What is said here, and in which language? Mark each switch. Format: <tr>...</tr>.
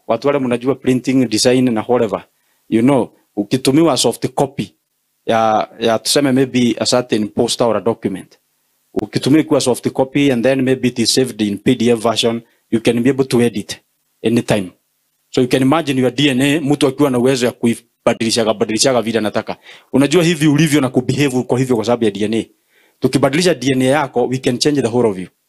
<sw>Watu wale munajua</sw> <en>printing, design na whatever. You know, ukitumiwa soft copy</en> <sw>ya tuseme</sw> <en>maybe a certain poster or a document.</en> <sw>Ukitumiwa kuwa</sw> <en>soft copy and then maybe it is saved in PDF version, you can be able to edit anytime. So you can imagine your DNA,</en> <sw>mtu akiwa na uwezo ya kuibadilishaga vile anataka. Unajua hivi ulivyo na kubehave kwa hivyo kwa sababu ya DNA. Tukibadilisha DNA yako,</sw> <en>we can change the whole of you.</en>